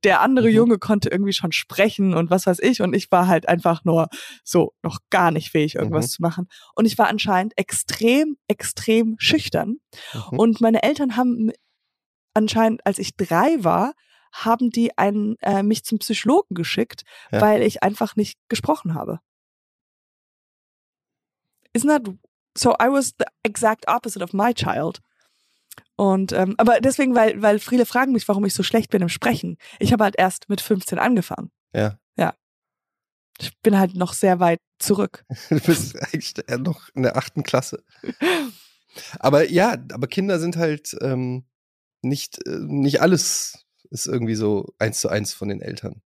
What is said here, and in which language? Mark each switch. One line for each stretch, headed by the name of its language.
German: Der andere Junge konnte irgendwie schon sprechen und was weiß ich und ich war halt einfach nur so noch gar nicht fähig, irgendwas zu machen. Und ich war anscheinend extrem, extrem schüchtern. Und meine Eltern haben anscheinend, als ich 3 war, haben die mich zum Psychologen geschickt, weil ich einfach nicht gesprochen habe.
English: Isn't that so? I was the exact opposite of my child.
German: Und aber deswegen, weil viele fragen mich, warum ich so schlecht bin im Sprechen. Ich habe halt erst mit 15 angefangen. Ja. Ja. Ich bin halt noch sehr weit zurück. Du bist eigentlich noch in der 8. Klasse. Aber ja, aber Kinder sind halt nicht alles ist irgendwie so 1:1 von den Eltern.